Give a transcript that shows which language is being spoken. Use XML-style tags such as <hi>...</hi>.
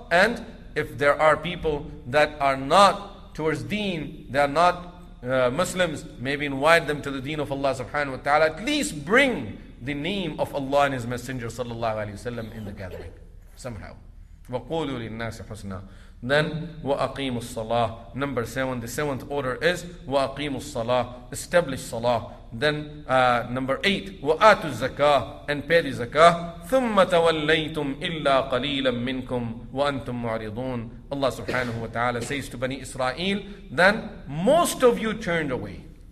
<en>And if there are people that are not towards deen, they are not Muslims, maybe invite them to the deen of Allah subhanahu wa ta'ala. At least bring the name of Allah and His Messenger sallallahu alaihi wasallam in the gathering somehow.</en> <ar>وَقُولُوا لِلنَّاسِ حُسْنًا.</ar> <en>Then</en> <ar>وَأَقِيمُ الصَّلَاةِ.</ar> <en>Number 7, the 7th order is</en> <ar>وَأَقِيمُ الصَّلَاةِ,</ar> <en>establish salah. Then number 8,</en> <ar>وَآتُ الزَّكَاةِ,</ar> <en>and pay the zakah.</en> <ar>ثُمَّ تَوَلَّيْتُمْ إِلَّا قَلِيلًا مِّنْكُمْ وَأَنْتُمْ مُعْرِضُونَ.</ar> <en>Allah subhanahu wa ta'ala says to Bani Israel, then most of you turned away.</en>